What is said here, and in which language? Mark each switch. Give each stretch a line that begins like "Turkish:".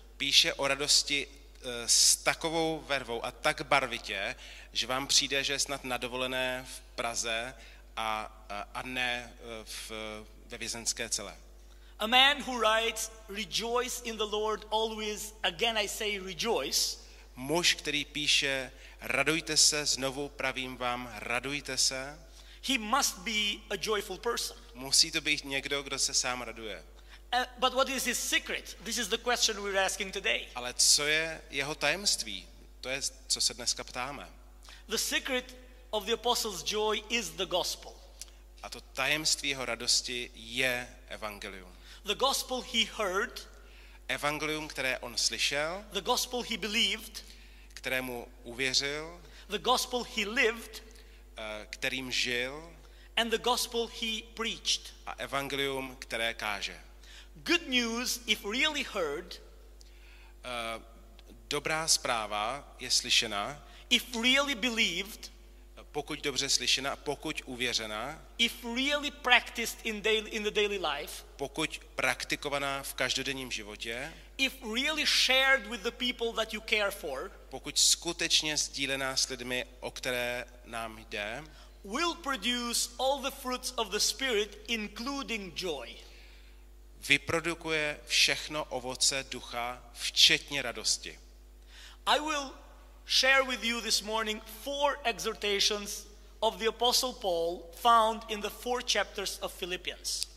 Czech: Píše o radosti s takovou vervou a tak barvitě, že vám přijde, že je snad na dovolené v Praze a ne ve vězenské celé.
English: A man who writes rejoice in the Lord always, again I say rejoice.
Czech: Muž, který píše radujte se, znovu pravím vám, radujte se.
English: He must be a joyful person.
Czech: Musí to být někdo, kdo se sám raduje.
English: But what is his secret? This is the question we're asking today.
Czech: Ale co je jeho tajemství? To je, co se dneska ptáme.
English: The secret of the apostle's joy is the gospel.
Czech: A to tajemství jeho radosti je evangelium.
English: The gospel he heard.
Czech: Evangelium, které on slyšel.
English: The gospel he believed.
Czech: Kterému uvěřil.
English: The gospel he lived.
Czech: Kterým žil.
English: And the gospel he preached.
Czech: A evangelium, které káže.
English: Good news, if really heard.
Czech: Dobrá zpráva je slyšena.
English: If really believed.
Czech: Pokud dobře slyšena, pokud uvěřena.
English: If really practiced in the daily life.
Czech: Pokud praktikovaná v každodenním životě.
English: If really shared with the people that you care for.
Czech: Pokud skutečně sdílená s lidmi, o které nám jde.
English: Will produce all the fruits of the Spirit, including joy.
Czech: Vyprodukuje všechno ovoce ducha, včetně radosti.
English: I will share with you this morning four exhortations of the Apostle Paul found in the four chapters of Philippians.